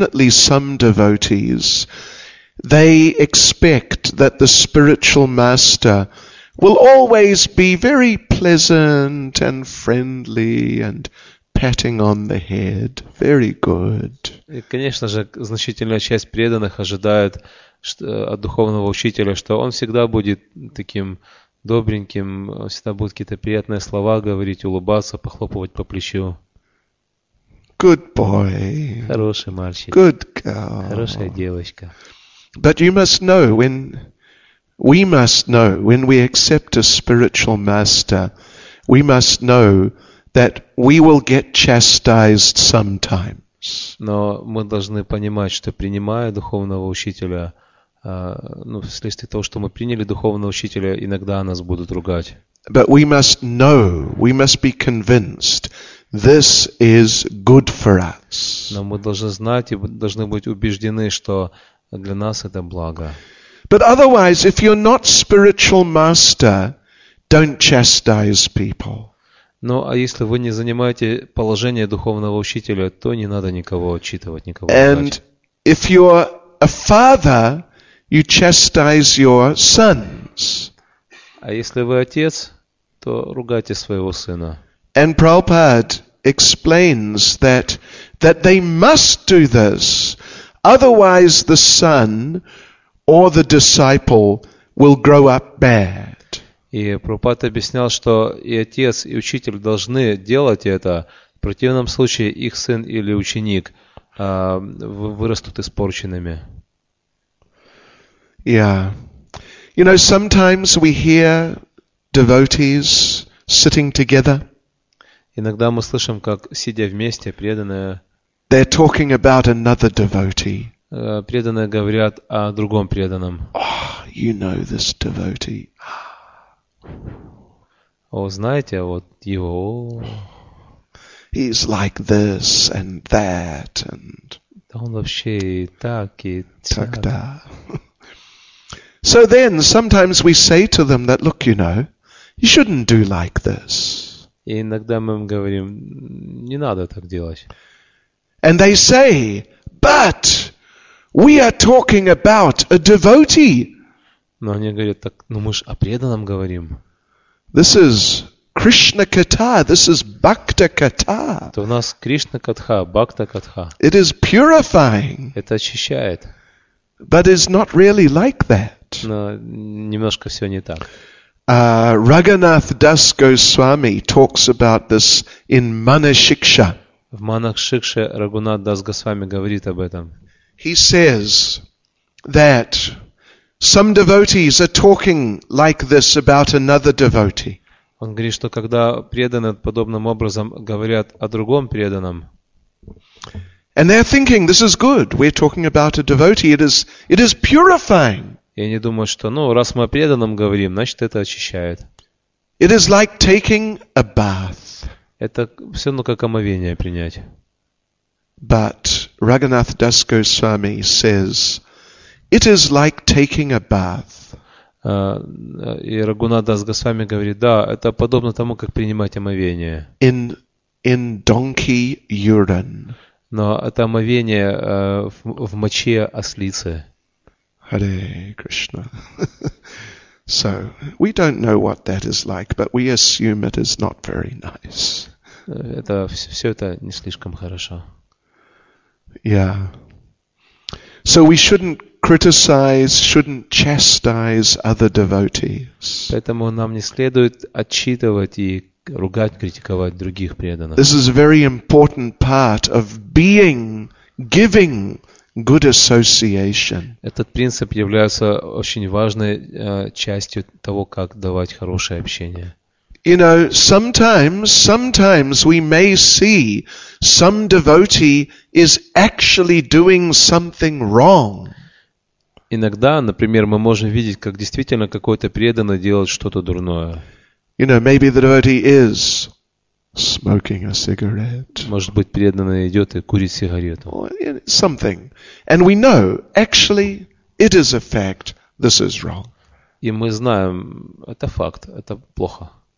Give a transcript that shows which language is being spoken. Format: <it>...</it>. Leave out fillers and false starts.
<en>Some devotees, they expect that the spiritual master will always be very pleasant and friendly and patting on the head. Very good.</en> <ru>И, конечно же, значительная часть преданных ожидает от духовного учителя, что он всегда будет таким добреньким, всегда будут какие-то приятные слова говорить, улыбаться, похлопывать по плечу.</ru> <en>Good boy.</en> <ru>Хороший мальчик.</ru> <en>Good girl.</en> <ru>Хорошая девочка.</ru> <en>But you must know when we accept a spiritual master, we must know that we will get chastised sometimes.</en> <ru>Но мы должны понимать, что принимая духовного учителя, вследствие того, что мы приняли духовного учителя, иногда нас будут ругать.</ru> <en>But we must know, we must be convinced. This is good for us.</en> <ru>Но мы должны знать и должны быть убеждены, что для нас это благо.</ru> <en>But otherwise, if you're not spiritual master, don't chastise people.</en> <ru>Ну, а если вы не занимаете положение духовного учителя, то не надо никого отчитывать, никого ругать.</ru> <en>And if you're a father, you chastise your sons.</en> <ru>А если вы отец, то ругайте своего сына.</ru> <en>And Prabhupada explains that they must do this, otherwise the son or the disciple will grow up bad.</en> <ru>И Прабхупада объяснял, что и отец, и учитель должны делать это. В противном случае их сын или ученик вырастут испорченными.</ru> <en>Yeah. You know, sometimes we hear devotees sitting together.</en> <ru>Иногда мы слышим, как, сидя вместе, преданные...</ru> <en>They're talking about another devotee.</en> <ru>Преданные говорят о другом преданном.</ru> <en>Oh, you know this devotee.</en> <ru>О, знаете, вот его...</ru> <en>He's like this and that and...</en> <ru>Да он вообще и так, и... Тогда.</ru> <en>So then, sometimes we say to them that, look, you know, you shouldn't do like this.</en> <ru>И иногда мы им говорим, не надо так делать.</ru> <en>And they say, but we are talking about a devotee.</en> <ru>Но они говорят, так, ну мы же о преданном говорим.</ru> <en>This is Krishna Katha, this is Bhakta Katha.</en> <ru>То у нас Кришна Катха, Бхакта Катха.</ru> <en>It is purifying.</en> <ru>Это очищает.</ru> <en>But it's not really like that.</en> <ru>Но немножко все не так.</ru> <en>Raghunath Das Goswami talks about this in Manashiksha.</en> <ru>В Манашикше Рагунат Дас Госвами говорит об этом.</ru> <en>He says that some devotees are talking like this about another devotee.</en> <ru>Он говорит, что когда преданные подобным образом говорят о другом преданном.</ru> <en>And they're thinking this is good. We're talking about a devotee. It is purifying.</en> <ru>И они думают, что, ну, раз мы о преданном говорим, значит, это очищает.</ru> <en>It is like taking a bath.</en> <ru>Это все равно как омовение принять.</ru> <en>But Raghunath Das Goswami says, it is like taking a bath.</en> <ru>И Рагунат Дас Госвами говорит, да, это подобно тому, как принимать омовение.</ru> <en>In donkey urine.</en> <ru>Но это омовение в моче ослицы.</ru> <en>Hare Krishna. So, we don't know what that is like, but we assume it is not very nice.</en> <ru>Это все это не слишком хорошо.</ru> <en>Yeah. So we shouldn't criticize, shouldn't chastise other devotees.</en> <ru>Поэтому нам не следует отчитывать и ругать, критиковать других преданных.</ru> <en>This is a very important part of being, giving good association.</en> <ru>Этот принцип является очень важной частью того, как давать хорошее общение.</ru> <en>You know, sometimes we may see some devotee is actually doing something wrong.</en> <ru>Иногда, например, мы можем видеть, как действительно какой-то преданный делает что-то дурное.</ru> <en>You know, maybe the devotee is smoking a cigarette.</en> <ru>Может быть, преданный идет и курит сигарету.</ru> <en>Something. And we know, actually, it is a fact, this is wrong.</en> <ru>И мы знаем, это факт, это плохо.</ru>